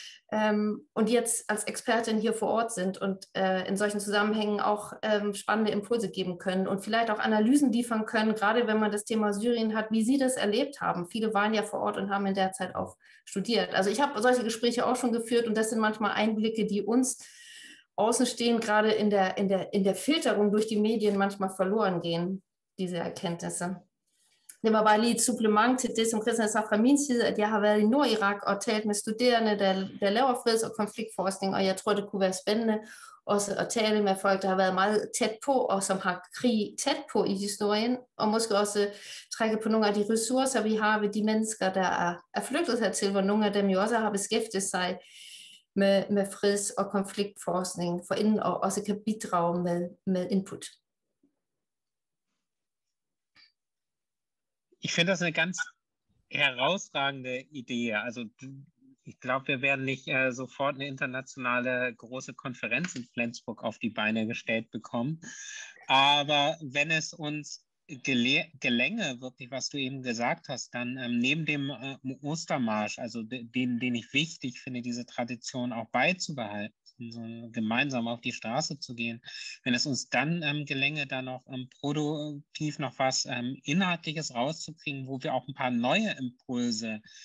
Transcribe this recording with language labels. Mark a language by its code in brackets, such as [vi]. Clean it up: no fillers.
[de] Und jetzt als Expertin hier vor Ort sind und in solchen Zusammenhängen auch spannende Impulse geben können und vielleicht auch Analysen liefern können, gerade wenn man das Thema Syrien hat, wie Sie das erlebt haben. Viele waren ja vor Ort und haben in der Zeit auch studiert. Also ich habe solche Gespräche auch schon geführt und das sind manchmal Einblicke, die uns außenstehend gerade in der Filterung durch die Medien manchmal verloren gehen, diese Erkenntnisse. [da] Det var bare lige et supplement til det, som Christian sagde fra min side, at jeg har været i Nordirak og talt med studerende, der laver freds- og konfliktforskning, og jeg tror, det kunne være spændende også at tale med folk, der har været meget tæt på, og som har krig tæt på i historien, og måske også trække på nogle af de ressourcer, vi har ved de mennesker, der er flygtet hertil, hvor nogle af dem jo også har beskæftiget sig med freds- og konfliktforskning, for inden og også kan bidrage med input. [de] Ich finde das eine ganz herausragende Idee. Also ich glaube, wir werden nicht sofort eine internationale große Konferenz in Flensburg auf die Beine gestellt bekommen. Aber wenn es uns gelänge, wirklich, was du eben gesagt hast, dann neben dem Ostermarsch, also den ich wichtig finde, diese Tradition auch beizubehalten, so gemeinsam auf die Straße zu gehen, wenn es uns dann gelänge, da noch produktiv noch was Inhaltliches rauszukriegen, wo wir auch ein paar neue Impulse